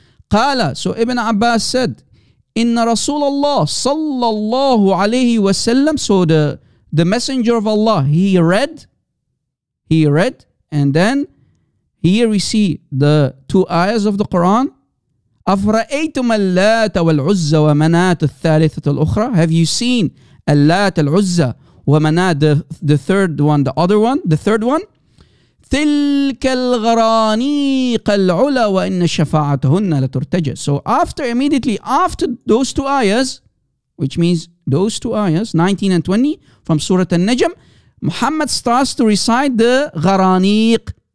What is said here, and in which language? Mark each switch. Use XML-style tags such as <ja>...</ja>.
<en>قال, so Ibn Abbas said,</en> <ar>إن رسول الله صلى الله عليه وسلم,</ar> <en>so the messenger of Allah, he read, and then here we see the two ayahs of the Quran.</en> <ar>أفرأيتم اللات والعزة ومنات الثالثة الأخرى.</ar> <en>Have you seen اللات العزة ومنات, the third one, the other one, the third one?</en> <ar>تلك الغرانيق العلا وإن شفاعتهن لترتجى.</ar> <en>So after, immediately after those two ayahs, which means those two ayahs, 19 and 20 from Surah Al-Najm, Muhammad starts to recite the Gharaniq.</en>